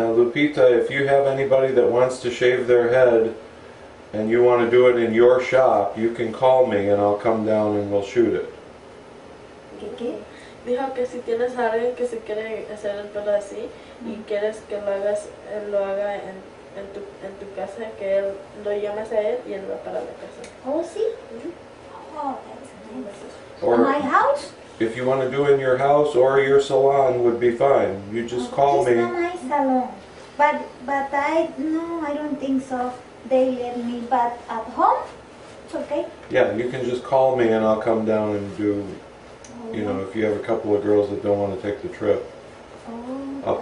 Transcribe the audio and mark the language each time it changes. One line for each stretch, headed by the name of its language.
English: Now, Lupita, if you have anybody that wants to shave their head and you want to do it in your shop, you can call me and I'll come down and we'll shoot it.
Spanish: ¿Qué? Dijo que si tienes a alguien que se quiere hacer el pelo así y quieres que lo haga en tu casa, que él lo llames a él y él va para la casa.
English: Oh, sí. Mm-hmm. Oh, that's nice. My house? If you want to do it in your house or your salon, would be fine. You just call it's me. It's not my salon. But I don't think so. They let me, but at home, it's okay. Yeah, you can just call me and I'll come down and do, you know, if you have a couple of girls that don't want to take the trip up